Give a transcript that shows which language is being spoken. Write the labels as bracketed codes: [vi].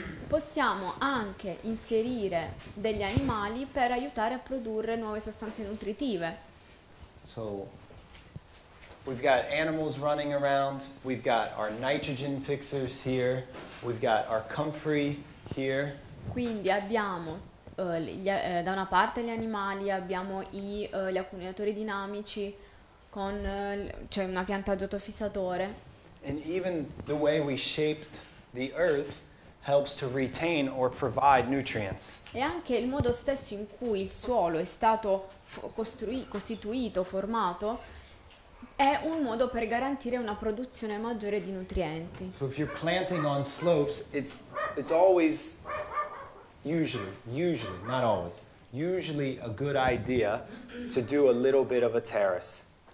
[it] Possiamo anche inserire degli animali per aiutare a produrre nuove sostanze nutritive. [en] So, we've got animals running around, we've got our nitrogen fixers here, we've got our comfrey here. [it] Quindi abbiamo da una parte gli animali, abbiamo gli accumulatori dinamici, cioè una pianta azoto fissatore. [en] And even the way we shaped the earth helps to retain or provide nutrients. [it] E anche il modo stesso in cui il suolo è stato costituito, formato, è un modo per garantire una produzione maggiore di nutrienti. [en] So if you're planting on slopes, it's always, usually, not always, usually a good idea to do a little bit of a terrace.